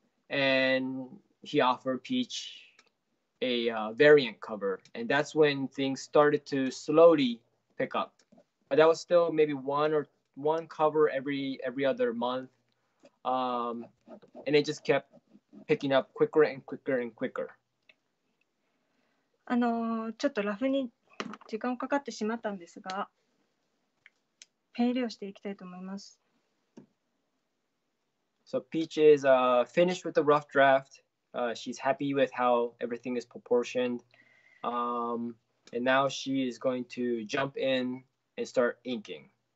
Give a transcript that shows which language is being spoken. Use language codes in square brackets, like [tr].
[en] And he offered Peach a variant cover. And that's when things started to slowly pick up. But that was still maybe one cover every other month. And it just kept picking up quicker and quicker and quicker. [ja] ちょっとラフに時間をかかってしまったんですが、ペン入れをしていきたいと思います。 [en] So Peach is finished with the rough draft. She's happy with how everything is proportioned. And now she is going to jump in and start inking.